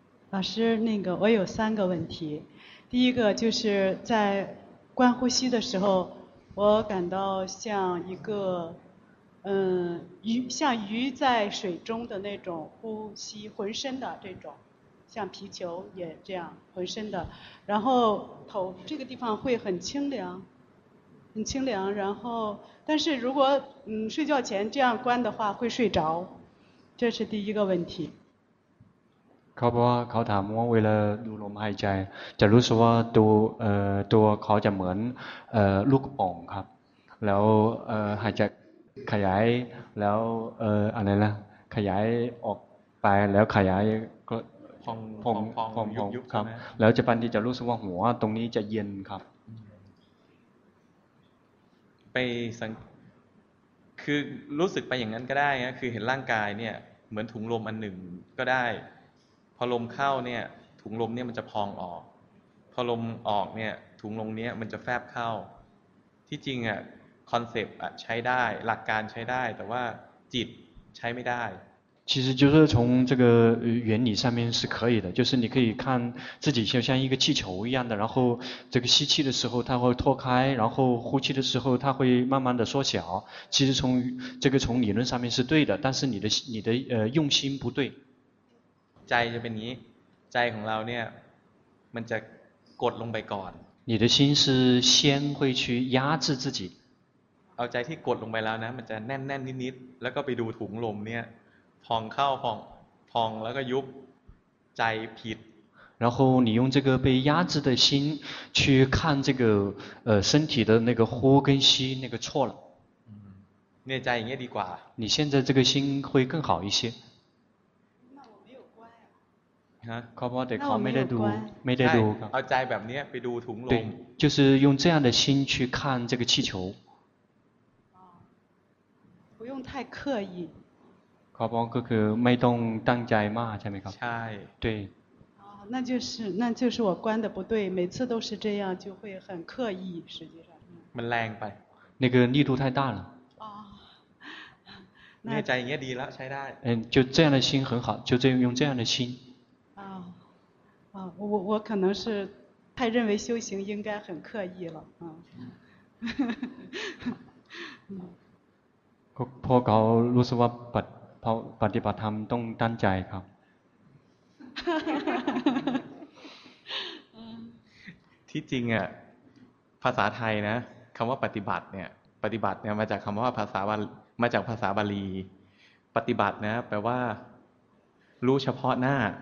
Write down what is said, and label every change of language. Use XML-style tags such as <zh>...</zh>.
<zh>老师，那个我有三个问题，第一个就是在观呼吸的时候，我感到像一个，鱼，像鱼在水中的那种呼吸，浑身的这种，像皮球也这样，浑身的，然后头这个地方会很清凉，很清凉，然后，但是如果睡觉前这样关的话会睡着，这是第一个问题。</zh> <th>เขาบอกว่าเขาถามว่าเวลาดูลมหายใจจะรู้สึกว่าตัวเขาจะเหมือนลูกป่องครับแล้วหายใจขยายแล้วอะไรนะขยายออกไปแล้วขยายก็พองยุบ ครับแล้วจะปันที่จะรู้สึกว่าหัวตรงนี้จะเย็นครับ ไปสังคือรู้สึกไปอย่างนั้นก็ได้นะคือเห็นร่างกายเนี่ยเหมือนถุงลมอันหนึ่งก็ได้พอลมเข้าเนี่ยถุงลมเนี่ยมันจะพองออกพอลมออกเนี่ยถุงลมเนี่ยมันจะแฟบเข้าที่จริงอ่ะคอนเซปต์ใช้ได้หลักการใช้ได้แต่ว่าจิตใช้ไม่ได้</th> <zh>其实就是从这个原理上面是可以的就是你可以看自己就像一个气球一样的然后这个吸气的时候它会脱开然后呼气的时候它会慢慢的缩小其实从这个从理论上面是对的但是你的用心不对</zh> <th>ใจจะเป็นอย่างนี้ใจของเราเนี่ยมันจะกดลงไปก่อน</th> <zh>你的心是先会去压制自己</zh> <th>เอาใจที่กดลงไปแล้วนะมันจะแน่นๆนิดๆแล้วก็ไปดูถุงลมเนี่ยพองเข้าพองแล้วก็ยุบใจผิด</th> <zh>然后你用这个被压制的心去看这个身体的那个呼跟吸那个错了</zh> <th>เนี่ยใจอย่างเงี้ยดีกว่า</th> <zh>你现在这个心会更好一些</zh> <th>เขาบอกแต่เขาไม่ได้ดูไม่ได้ดูครับ เอาใจแบบนี้ไปดูถุงลม</th> <zh>就是用这样的心去看这个气球不用太刻意</zh> <th>เขาบอกก็คือไม่ต้องตั้งใจมากใช่ไหมครับ ใช่</th> <zh>对那就是我关的不对每次都是这样就会很刻意实际上</zh> <th>มันแรงไป</th> <zh>那个力度太大了</zh> <th>เนี่ยใจอย่างเงี้ยดีแล้วใช้ได้</th> <zh>就这样的心很好就这样用这样的心我可能是太认为修行应该很刻意了</zh> <th>嗯嗯พอเขารู้สึกว่าปฏิบัติธรรมต้องตั้งใจครับ ที่จริงอ่ะภาษาไทยนะคำว่าปฏิบัติเนี่ยปฏิบัติเนี่ยมาจากคำว่าภาษาบาลมาจากภาษาบาลีปฏิบัตินะแปลว่ารู้เฉพาะหน้า</th>